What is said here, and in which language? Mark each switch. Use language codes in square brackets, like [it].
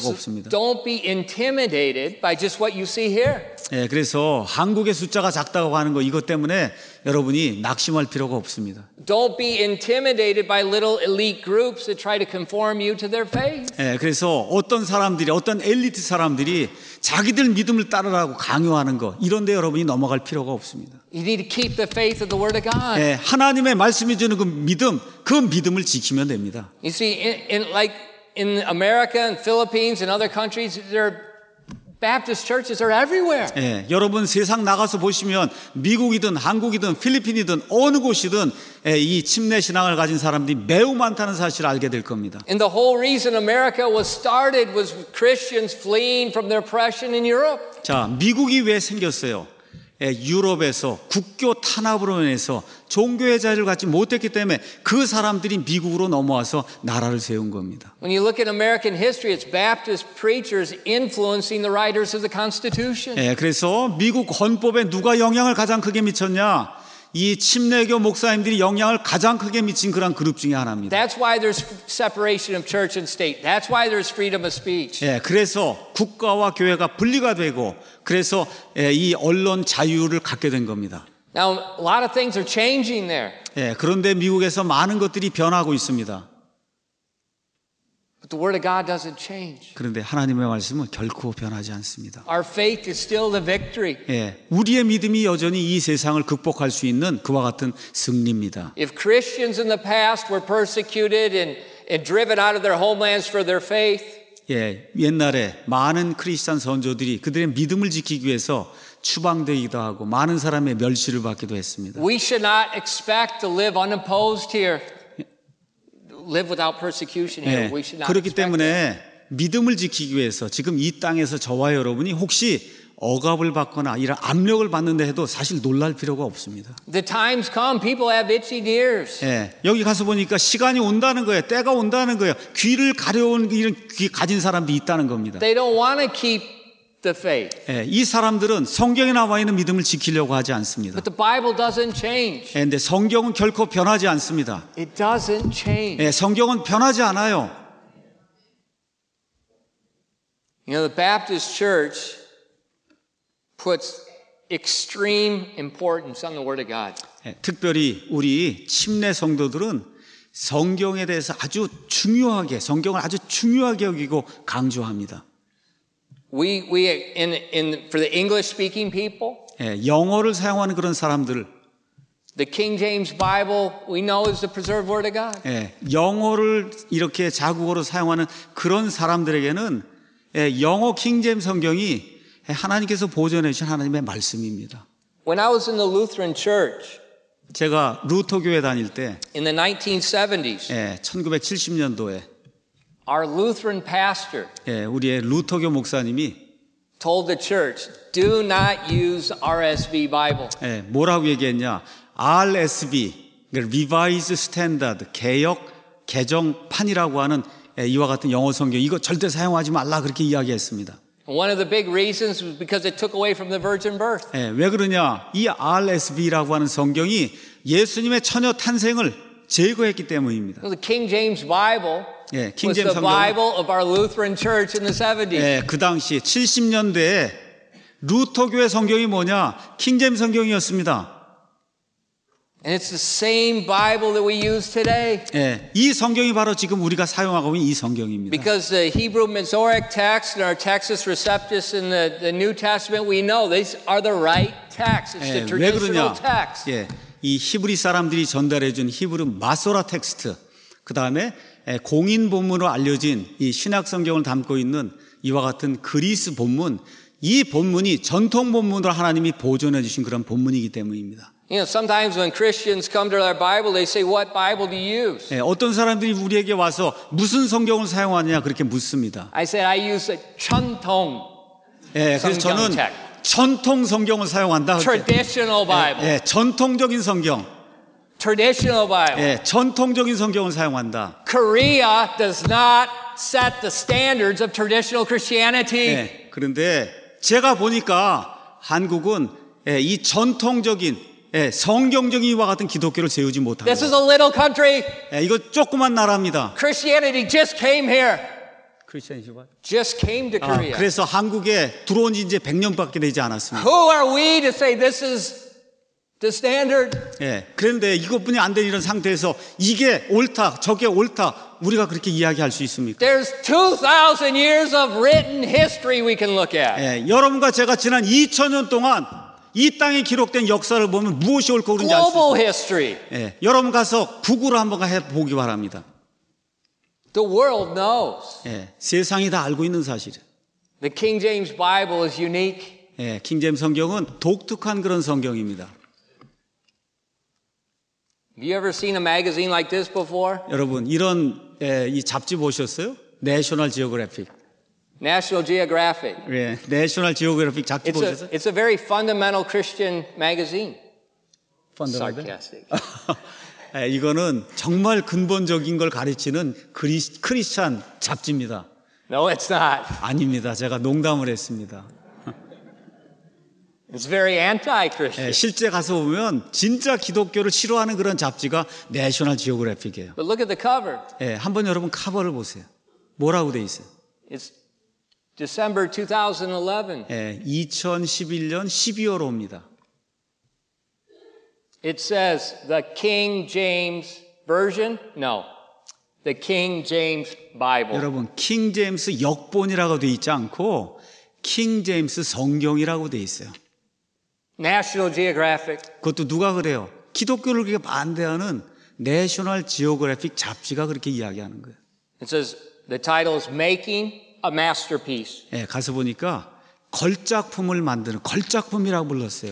[en] so [ko] 없습니다. [en] Don't be intimidated by just what you see here. [ko] 예, 그래서 한국의 숫자가 작다고 하는 거 이것 때문에 여러분이 낙심할 필요가 없습니다. [en] Don't be intimidated by little elite groups that try to conform you to their faith. [ko] 예, 그래서 어떤 사람들이 어떤 엘리트 사람들이 자기들 믿음을 따르라고 강요하는 거 이런데 여러분이 넘어갈 필요가 없습니다. [en] You need to keep the faith of the word of God. [ko] 예, 하나님의 말씀이 주는 그 믿음을 지키면 됩니다. [en] You see, in like in America and Philippines and other countries, there Baptist churches are everywhere. [ko] 예, 여러분 세상 나가서 보시면 미국이든 한국이든 필리핀이든 어느 곳이든 예, 이 침례 신앙을 가진 사람들이 매우 많다는 사실을 알게 될 겁니다. [en] And the whole reason America was started was Christians fleeing from their oppression in Europe. [ko] 자, 미국이 왜 생겼어요? 예, 유럽에서 국교 탄압으로 인해서 종교의 자유를 갖지 못했기 때문에 그 사람들이 미국으로 넘어와서 나라를 세운 겁니다. [en] When you look at American history, it's Baptist preachers influencing the writers of the Constitution. [ko] 예, 그래서 미국 헌법에 누가 영향을 가장 크게 미쳤냐? 이 침례교 목사님들이 영향을 가장 크게 미친 그런 그룹 중에 하나입니다. [en] That's why there's separation of church and state. That's why there's freedom of speech. [ko] 예, 그래서 국가와 교회가 분리가 되고 그래서 예, 이 언론 자유를 갖게 된 겁니다. [en] Now a lot of things are changing there. [ko] 예, 그런데 미국에서 많은 것들이 변하고 있습니다. [en] But the word of God doesn't change. [ko] 그런데 하나님의 말씀은 결코 변하지 않습니다. [en] Our faith is still the victory. [ko] 예, 우리의 믿음이 여전히 이 세상을 극복할 수 있는 그와 같은 승리입니다. [en] If Christians in the past were persecuted and driven out of their homelands for their faith. [ko] 예, 옛날에 많은 크리스천 선조들이 그들의 믿음을 지키기 위해서 추방되기도 하고 많은 사람의 멸시를 받기도 했습니다. [en] We should not expect to live unopposed here. Live without persecution here. [ko] 예, [en] We should not [ko] 그렇기 때문에 [en] that. [ko] 믿음을 지키기 위해서 지금 이 땅에서 저와 여러분이 혹시 억압을 받거나 이런 압력을 받는데 해도 사실 놀랄 필요가 없습니다. [en] The times come, people have itching ears. [ko] 예, 여기 가서 보니까 시간이 온다는 거예요, 때가 온다는 거예요. 귀를 가려온 이런 귀 가진 사람도 있다는 겁니다. [en] They don't want to keep the faith. [ko] 예, 이 사람들은 성경에 나와 있는 믿음을 지키려고 하지 않습니다. [en] But the Bible doesn't change. [ko] 예, 근데 성경은 결코 변하지 않습니다. [en] It doesn't change. [ko] 예, 성경은 변하지 않아요. [en] You know, the Baptist Church puts extreme importance on the Word of God. [ko] 특별히 우리 침례 성도들은 성경에 대해서 아주 중요하게 성경을 아주 중요하게 여기고 강조합니다. [en] We in for the English speaking people. [ko] 예, 영어를 사용하는 그런 사람들. [en] The King James Bible we know is the preserved word of God. [ko] 예, 영어를 이렇게 자국어로 사용하는 그런 사람들에게는 예, 영어 킹제임스 성경이 하나님께서 보존해 주신 하나님의 말씀입니다. [en] When I was in the Lutheran church, [ko] 제가 루터 교회 다닐 때 [en] in the 1970s. [ko] 예, 1970년도에 [en] our Lutheran pastor [ko] 예, 우리의 루터교 목사님이 [en] told the church, "Do not use RSV Bible." [ko] 예, 뭐라고 얘기했냐? RSV, Revised Standard, 개역 개정판이라고 하는 예, 이와 같은 영어 성경 이거 절대 사용하지 말라 그렇게 이야기했습니다. [en] One of the big reasons was because it took away from the virgin birth. [ko] 예, 왜 그러냐? 이 RSV라고 하는 성경이 예수님의 처녀 탄생을 제거했기 때문입니다. [en] The King James Bible [ko] 예, [en] King was James the Bible of our Lutheran church in the 70s. [ko] 예, 그 당시 70년대에 루터 교회 성경이 뭐냐? 킹제임스 성경이었습니다. [en] And it's the same Bible that we use today. [ko] 예, 이 성경이 바로 지금 우리가 사용하고 있는 이 성경입니다. [en] Because the Hebrew Masoretic text and our Textus Receptus in the New Testament, we know these are the right texts. It's [ko] 예, [en] the traditional [ko] 왜 그러냐? [en] text. [ko] 예, 이 히브리 사람들이 전달해 준 히브리 마소라 텍스트, 그 다음에 공인 본문으로 알려진 이 신약 성경을 담고 있는 이와 같은 그리스 본문, 이 본문이 전통 본문으로 하나님이 보존해 주신 그런 본문이기 때문입니다. [en] You know, sometimes when Christians come to our Bible, they say, "What Bible do you use?" [ko] 예, 어떤 사람들이 우리에게 와서 무슨 성경을 사용하느냐 그렇게 묻습니다. [en] I said, "I use a 전통." [ko] 예, 그래서 저는 전통 성경을 사용한다. [en] Traditional Bible. [ko] 예, 전통적인 성경. [en] Traditional Bible. [ko] 예, 전통적인 성경을 사용한다. [en] Korea does not set the standards of traditional Christianity. [ko] 예, 그런데 제가 보니까 한국은 예, 이 전통적인 예, 성경적인 이와 같은 기독교를 세우지 못합니다. [en] This is a little country. [ko] 예, 이거 조그만 나라입니다. [en] Christianity just came here. Christianity what? Just came to Korea. [ko] 아, 그래서 한국에 들어온 지 이제 100년밖에 되지 않았습니다. [en] Who are we to say this is the standard? [ko] 예, 그런데 이것뿐이 안 된 이런 상태에서 이게 옳다, 저게 옳다 우리가 그렇게 이야기할 수 있습니까? [en] There's 2,000 years of written history we can look at. [ko] 예, 여러분과 제가 지난 2,000년 동안 이 땅에 기록된 역사를 보면 무엇이 옳고 그런지 알 수 있어요. [en] Global history. [ko] 예, 여러분 가서 구글을 한번 해보기 바랍니다. [en] The world knows. [ko] 예, 세상이 다 알고 있는 사실. [en] The King James Bible is unique. [ko] 예, 킹제임스 성경은 독특한 그런 성경입니다. [en] Have you ever seen a magazine like this before? [ko] 여러분, 이런 예, 이 잡지 보셨어요? [en] National Geographic. National Geographic. [ko] 예, National Geographic 잡지 [en] it's [ko] 보셨어요? [en] It's a very fundamental Christian magazine. Fundamental? Sarcastic. [ko] 예, 이거는 정말 근본적인 걸 가르치는 크리스찬 잡지입니다. [en] No, it's not. [ko] 아닙니다. 제가 농담을 했습니다. [en] It's very anti-Christian. [ko] 예, 실제 가서 보면 진짜 기독교를 싫어하는 그런 잡지가 National Geographic이에요. [en] But look at the cover. [ko] 예, 한번 여러분 커버를 보세요. 뭐라고 돼 있어요? [en] It's December 2011. [ko] 예, 2011년 12월 호입니다. [en] It says the King James Version? No. The King James Bible. [ko] 여러분, 킹제임스 역본이라고 돼 있지 않고 킹제임스 성경이라고 돼 있어요. [en] National Geographic. [ko] 그것도 누가 그래요? 기독교를 그렇게 반대하는 National Geographic 잡지가 그렇게 이야기하는 거예요. [en] It says the title is Making a Masterpiece. [ko] 예, 가서 보니까 걸작품을 만드는 걸작품이라고 불렀어요.